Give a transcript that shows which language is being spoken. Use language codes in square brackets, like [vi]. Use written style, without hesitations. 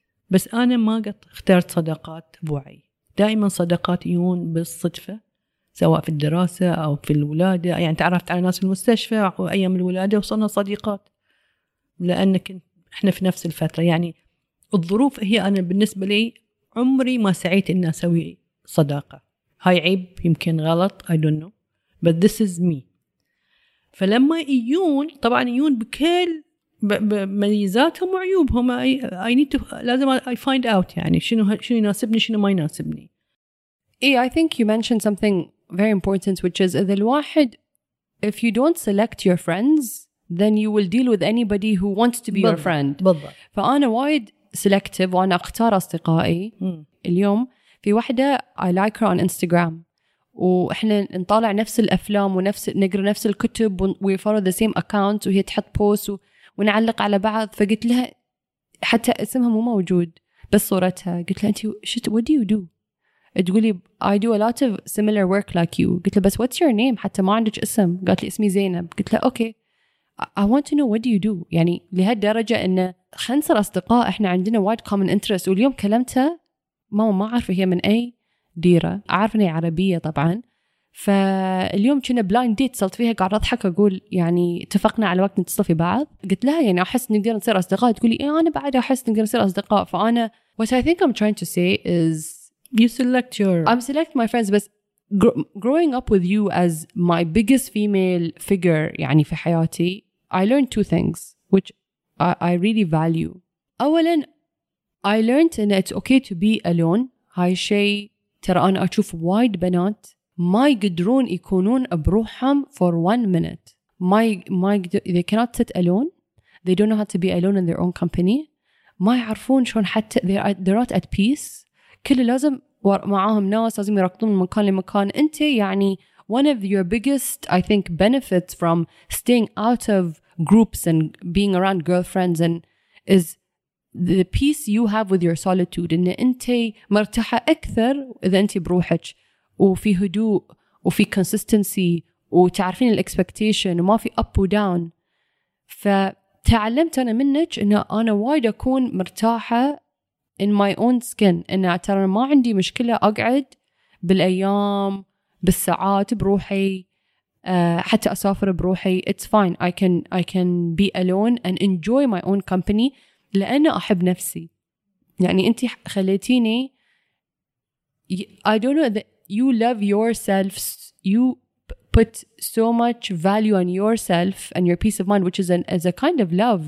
[ar] بس أنا ما قد اخترت صداقات بوعي، دائما صداقات يجون بالصدفة، سواء في الدراسة أو في الولادة. يعني تعرفت على ناس في المستشفى وأيام الولادة وصلنا صديقات لأن إحنا في نفس الفترة. يعني الظروف هي، أنا بالنسبة لي عمري ما سعيت إن أسوي صداقة. هاي عيب، يمكن غلط، [en] I don't know، but this is me. [ar] فلما يجون طبعا يجون بكل بميزاتهم وعيوبهم، لازم [en] I find out [ar] يعني شنو يناسبني شنو ما يناسبني. [en] I think you mentioned something very important, which is [ar] إذا الواحد [en] if you don't select your friends then you will deal with anybody who wants to be your friend. [ar] بالضبط. فأنا وايد selective وأنا أختار أصدقائي. اليوم في واحدة [en] I like her on Instagram، [ar] وإحنا نطالع نفس الأفلام ونفس نقرأ نفس الكتب، [en] we follow the same account، [ar] وهي تحط post ونعلق على بعض. فقلت لها، حتى اسمها مو موجود بس صورتها، قلت لها أنتي [en] what do you do؟ [ar] تقولي [en] I do a lot of similar work like you. [ar] قلت لها بس [en] what's your name؟ [ar] حتى ما عندك اسم. قالت لي اسمي زينب. قلت لها [en] okay، I want to know what do you do. [ar] يعني لهالدرجة إن خنصر أصدقاء، إحنا عندنا [en] wide common interest. [ar] واليوم كلمتها، ما أعرف هي من أي ديرة، أعرف إنها عربية طبعا. فاليوم كنا [en] blind date، [ar] صلت فيها قاعدة أضحك أقول يعني اتفقنا على وقت نتصل في بعض. قلت لها يعني أحس نقدر نصير أصدقاء. تقولي إيه أنا بعد أحس نقدر نصير أصدقاء. [en] فأنا what I think I'm trying to say is you select your I'm select my friends. [ar] بس [en] growing up with you as my biggest female figure [ar] يعني في حياتي، [en] I learned 2 things which I really value. [ar] أولا [en] I learned [ar] إن [en] it's okay to be alone. [ar] هاي شيء ترى أنا أشوف وايد بنات ما يقدرون يكونون بروحهم [en] for 1 minute. They cannot sit alone. They don't know how to be alone in their own company. [ar] ما يعرفون شون حتى [en] they're not at peace. [ar] كله لازم معاهم ناس، لازم يركضون من مكان لمكان. أنت يعني [en] one of your biggest I think benefits from staying out of groups and being around girlfriends and is the peace you have with your solitude. [ar] إن أنت مرتاحة أكثر إذا أنت بروحك وفي هدوء وفي consistency وتعرفين الexpectation وما في up و down. فتعلمت أنا منك إن أنا وايد أكون مرتاحة [en] in my own skin، [ar] إن ترى ما عندي مشكلة أقعد بالأيام بالساعات بروحي حتى أسافر بروحي. [en] It's fine. I can be alone and enjoy my own company [ar] لأن أحب نفسي. يعني أنت خليتيني [en] I don't know that you love yourself. You put so much value on yourself and your peace of mind, which is a kind of love.